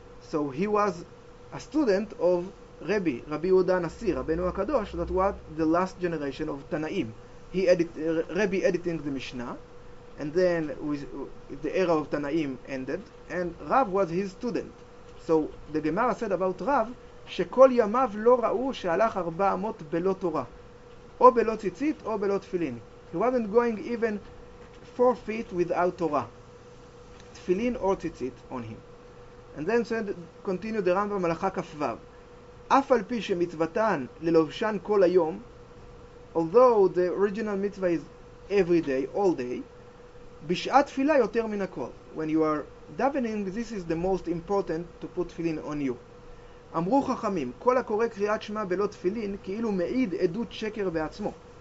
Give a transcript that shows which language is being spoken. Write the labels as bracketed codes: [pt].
[en] So he was a student of Rabbi, Rabbi Yehuda Nasi, רבנו הקדוש, that was the last generation of Tanaim. Rabbi editing the Mishnah, and then the era of Tanaim ended, and Rav was his student. So the Gemara said about Rav, [he] שכל ימיו לא ראו שהלך ארבע אמות בלא תורה. או בלא ציצית או בלא תפילין. [en] He wasn't going even 4 feet without Torah. תפילין or ציצית on him. And then said, continue the Rambam הלכה כפוו. [he] אף על פי שמצוותן ללובשן כל היום, [en] although the original mitzvah is every day, all day, [he] בשעת תפילה יותר מן הכל. [en] When you are davening, this is the most important to put תפילין on you. [he] אמרו חכמים, כל הקורא קריאת שמע בלא תפילין, כאילו מעיד עדות שקר בעצמו.